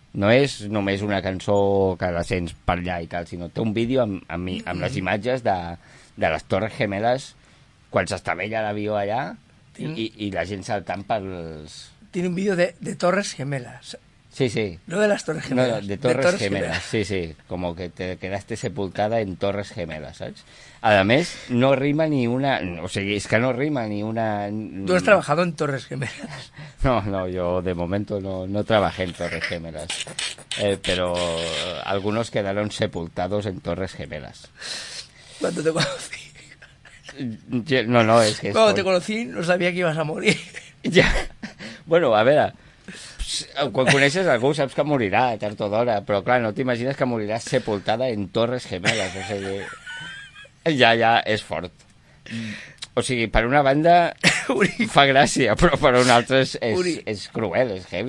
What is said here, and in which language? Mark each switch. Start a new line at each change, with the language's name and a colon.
Catalan: No és només una cançó que la sents per allà i tal, sinó té un vídeo amb les imatges de les Torres Gemeles, quan s'estavella l'avió allà i la gent saltant pels...
Spanish: Tiene un vídeo de Torres Gemeles. Sí, sí. No de las Torres Gemeles. No, de Torres Gemeles. Sí, sí. Como que te quedaste sepultada en Torres Gemeles, saps?
Catalan: A més, no rima ni una... O sigui, és que no rima ni una...
Spanish: ¿Tú has trabajado en Torres Gemeles? No, no, yo de momento no trabajé en Torres Gemeles. Pero algunos quedaron sepultados en Torres Gemeles. Cuando te conocí. No, es que... Cuando te conocí, no sabía que ibas a morir. Ya.
Catalan: Bueno, a ver, quan coneixes algú, saps que morirà a tard o d'hora, però clar, no t'imagines que moriràs sepultada en Torres Gemeles. O sigui, ja, és fort. O sigui, per una banda, Uri, fa gràcia, però per una altra és cruel, és heavy.